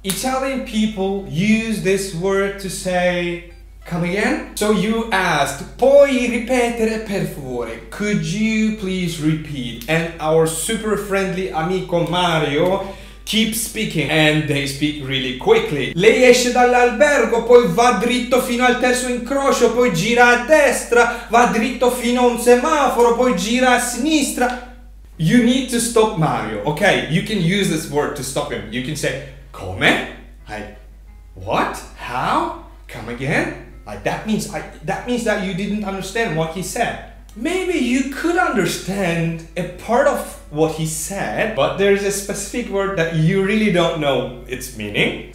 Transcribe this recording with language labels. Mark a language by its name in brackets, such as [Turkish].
[English] Italian people use this word to say, come again? So you asked, [Italian] puoi ripetere per favore? [English] Could you please repeat? And our super friendly amico Mario keeps speaking and they speak really quickly. [Italian] Lei esce dall'albergo, poi va dritto fino al terzo incrocio, poi gira a destra, va dritto fino a un semaforo, poi gira a sinistra. [English] You need to stop Mario, okay? You can use this word to stop him. You can say, come? Like, what? How? Come again? Like, that means that you didn't understand what he said. Maybe you could understand a part of what he said, but there's a specific word that you really don't know its meaning.